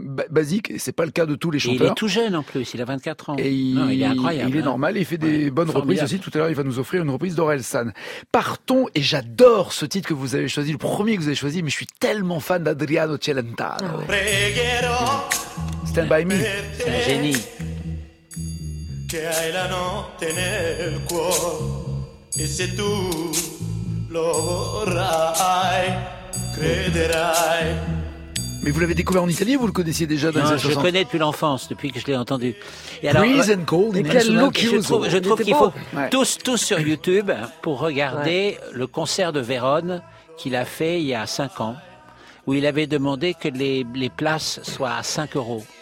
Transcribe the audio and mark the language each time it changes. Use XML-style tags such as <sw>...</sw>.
<fr>Basique, et c'est pas le cas de tous les chanteurs. Et il est tout jeune en plus, il a 24 ans. Et il est incroyable. Il est normal, il fait des bonnes reprises aussi. Tout à l'heure, il va nous offrir une reprise d'Orelsan. Partons, et j'adore ce titre que vous avez choisi, le premier que vous avez choisi, mais je suis tellement fan d'Adriano Celentano. Ah, ouais. Stand by me. C'est un génie.</fr> <it>Che hai la notte nel cuore e se tu lo vorrai crederai.</it> <fr>Mais vous l'avez découvert en Italie, vous le connaissiez déjà dans les années 60. Je le connais depuis l'enfance, depuis que je l'ai entendu. Et alors, Breeze and Cold, et quel look je trouve, qu'il faut tous sur YouTube pour regarder le concert de Vérone qu'il a fait il y a 5 ans où il avait demandé que les places soient à 5€.</fr>